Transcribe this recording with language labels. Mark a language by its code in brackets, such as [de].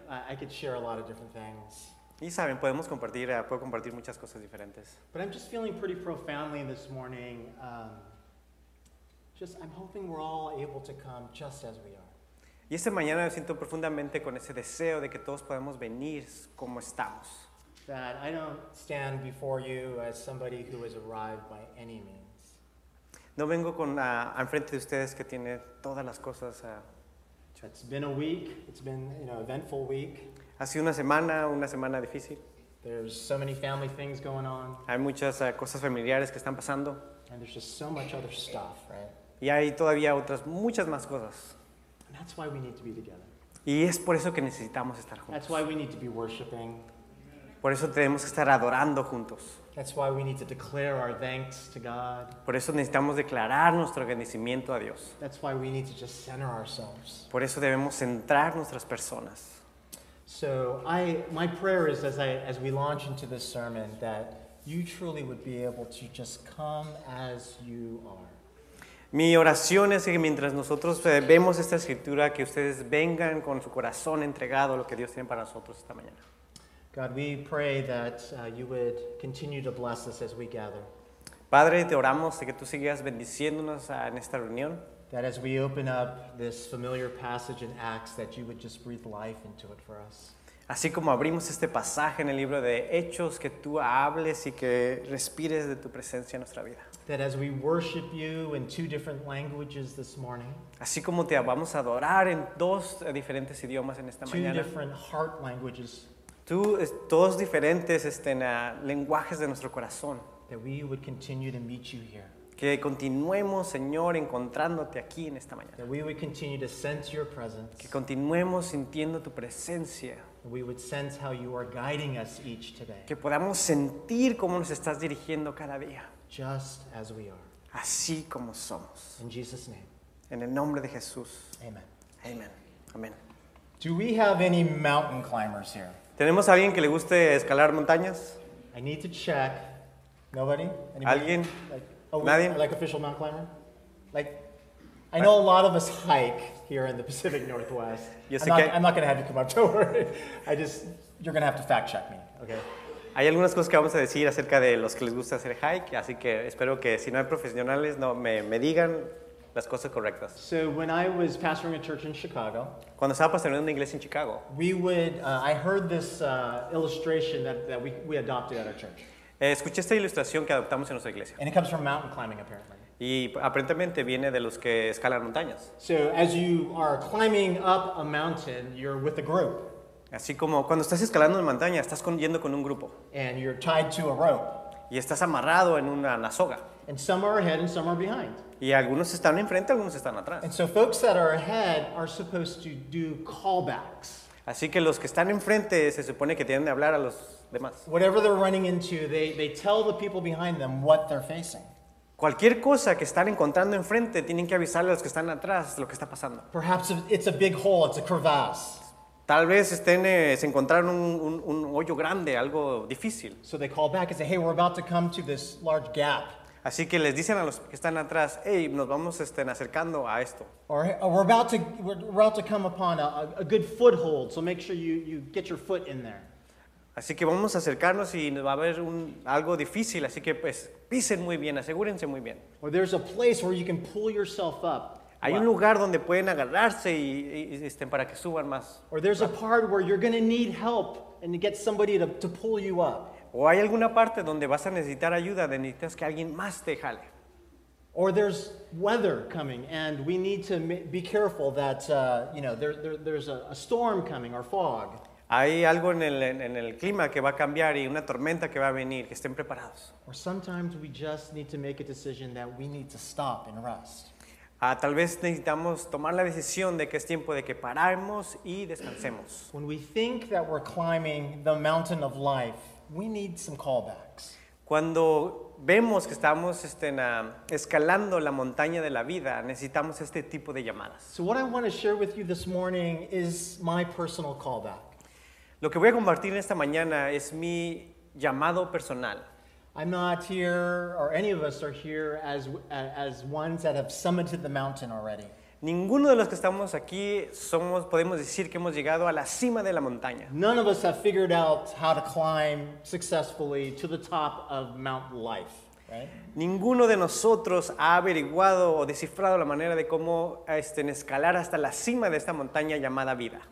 [en] I could share a lot of different things. [es] Y saben, puedo compartir muchas cosas diferentes. [en] But I'm just feeling pretty profoundly this morning. I'm hoping we're all able to come just as we are. [es] Y esta mañana me siento profundamente con ese deseo de que todos podamos venir como estamos. [en] That I don't stand before you as somebody who has arrived by any means. [es] No vengo con enfrente de ustedes que tiene todas las cosas. [en] It's been a week. It's been eventful week. [es] Ha sido una semana difícil. [en] There's so many family things going on. [es] Hay muchas cosas familiares que están pasando. [en] And there's just so much other stuff, right? [es] Y hay todavía otras muchas más cosas. [en] And that's why we need to be together. [es] Y es por eso que necesitamos estar juntos. [en] That's why we need to be worshiping. [es] Por eso tenemos que estar adorando juntos. [en] That's why we need to declare our thanks to God. [es] Por eso necesitamos declarar nuestro agradecimiento a Dios. [en] That's why we need to just center ourselves. [es] Por eso debemos centrar nuestras personas. [en] So my prayer is as we launch into this sermon that you truly would be able to just come as you are. [es] Mi oración es que mientras nosotros vemos esta escritura que ustedes vengan con su corazón entregado a lo que Dios tiene para nosotros esta mañana. [en] God, we pray that you would continue to bless us as we gather. [es] Padre, te oramos de que tú sigas bendiciéndonos en esta reunión. [en] That as we open up this familiar passage in Acts, that you would just breathe life into it for us. [es] Así como abrimos este pasaje en el libro de Hechos, que tú hables y que respires de tu presencia en nuestra vida. [en] That as we worship you in two different languages this morning. [es] Así como te vamos a adorar en dos diferentes idiomas en esta [en] two [es] mañana. [en] Two different heart languages. [es] Todos diferentes lenguajes de nuestro corazón. [en] That we would continue to meet you here. [es] Que continuemos, Señor, encontrándote aquí en esta mañana. [en] That we would continue to sense your presence. [es] Que continuemos sintiendo tu presencia. [en] That we would sense how you are guiding us each today. [es] Que podamos sentir cómo nos estás dirigiendo cada día. [en] Just as we are. [es] Así como somos. [en] In Jesus' name. [es] En el nombre de Jesús. [en] Amen. [es] Amen. Amen. [en] Do we have any mountain climbers here? [es] ¿Tenemos a alguien que le guste escalar montañas? [en] I need to check. Nobody? Anybody? [es] ¿Alguien? ¿Nadie? [en] Like official mountain climber? I know a lot of us hike here in the Pacific Northwest. [es] Yo sé [en] I'm not going to have you come up, don't worry. You're going to have to fact check me, okay? [es] Hay algunas cosas que vamos a decir acerca de los que les gusta hacer hike, así que espero que si no hay profesionales, no me digan las cosas correctas. [en] So when I was pastoring a church in Chicago, [es] cuando estaba pastoreando una iglesia en Chicago, [en] I heard this illustration that we adopted at our church. [es] Escuché esta ilustración que adoptamos en nuestra iglesia. [en] And it comes from mountain climbing, apparently. [es] Y aparentemente viene de los que escalan montañas. [en] So as you are climbing up a mountain, you're with a group. [es] Así como cuando estás escalando una montaña, estás yendo con un grupo. [en] And you're tied to a rope. [es] Y estás amarrado en una soga. [en] And some are ahead and some are behind. [es] Y algunos están enfrente, algunos están atrás. [en] And so folks that are ahead are supposed to do callbacks. [es] Así que los que están enfrente se supone que tienen que hablar a los demás. [en] Whatever they're running into, they tell the people behind them what they're facing. [es] Cualquier cosa que están encontrando enfrente, tienen que avisarle a los que están atrás lo que está pasando. [en] Perhaps it's a big hole, it's a crevasse. [es] Tal vez se encontraron un hoyo grande, algo difícil. [en] So they call back and say, hey, we're about to come to this large gap. [es] Así que les dicen a los que están atrás, hey, nos vamos acercando a esto. [en] Or we're about to come upon a good foothold, so make sure you get your foot in there. [es] Así que vamos a acercarnos y va a haber algo difícil, así que pues pisen muy bien, asegúrense muy bien. [en] Or there's a place where you can pull yourself up. [es] Hay un lugar donde pueden agarrarse y para que suban más. [en] Or there's a part where you're going to need help and get somebody to pull you up. [es] O hay alguna parte donde vas a necesitar ayuda, necesitas que alguien más te jale. [en] Or there's weather coming, and we need to be careful that you know there's a storm coming or fog. [es] Hay algo en el clima que va a cambiar y una tormenta que va a venir, que estén preparados. [en] Or sometimes we just need to make a decision that we need to stop and rest. [es] Tal vez necesitamos tomar la decisión de que es tiempo de que paramos y descansemos. [en] When we think that we're climbing the mountain of life, we need some callbacks. [es] Cuando vemos que estamos escalando la montaña de la vida, necesitamos este tipo de llamadas. [en] So what I want to share with you this morning is my personal callback. [es] Lo que voy a compartir esta mañana es mi llamado personal. [en] I'm not here, or any of us are here, as ones that have summited the mountain already. [es] Ninguno de los que estamos aquí somos, podemos decir que hemos llegado a la cima de la montaña. [en] None of us have figured out how to climb successfully to the top of Mount Life, right? [es] Ninguno de nosotros ha averiguado o descifrado la manera de cómo escalar hasta la cima de esta montaña llamada vida.